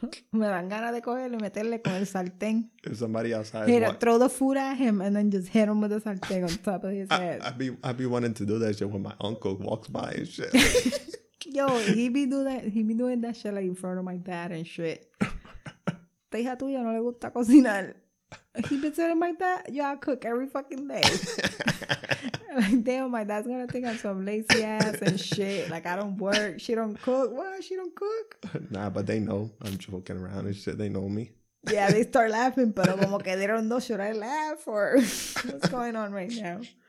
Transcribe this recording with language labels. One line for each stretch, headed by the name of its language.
Spanish: Me dan ganas de cogerlo y meterle con el sartén.
English: If somebody outside here, throw the food at him and then just hit him with the sartén on top of his head. I'd be wanting to do that shit when my uncle walks by and shit. Yo, he be doing that shit like in front of my dad and shit.
Spanish: Te hija tuya no le gusta cocinar.
English: He be telling my dad, yo, I cook every fucking day. Like, damn, my dad's gonna think I'm some lazy ass and shit. Like, I don't work. She don't cook. What? She don't cook? Nah, but they know. I'm joking around and shit. They know me. Yeah, they start laughing,
Spanish: pero como que
English: they don't know, should I laugh or what's going on right now?